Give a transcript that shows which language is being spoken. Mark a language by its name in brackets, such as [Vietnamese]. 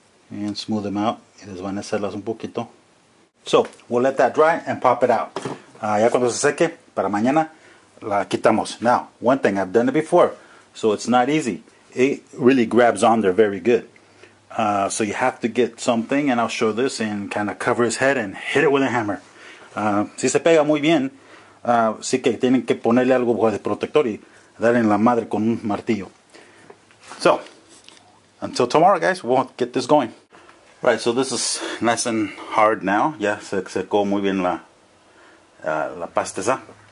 [English] And smooth them out. [Spanish] Y desvanecerlas un poquito. [English] So, we'll let that dry and pop it out. [Spanish] Ya cuando se seque, para mañana, la quitamos. [English] Now, one thing, I've done it before, so it's not easy. It really grabs on there very good. So you have to get something, and I'll show this, and kind of cover his head and hit it with a hammer. [Spanish] Si se pega muy bien, sí que tienen que ponerle algo de protector y darle en la madre con un martillo. [English] So, until tomorrow, guys, we'll get this going. Right, so this is nice and hard now. [Spanish] Ya se secó muy bien la pasta esa.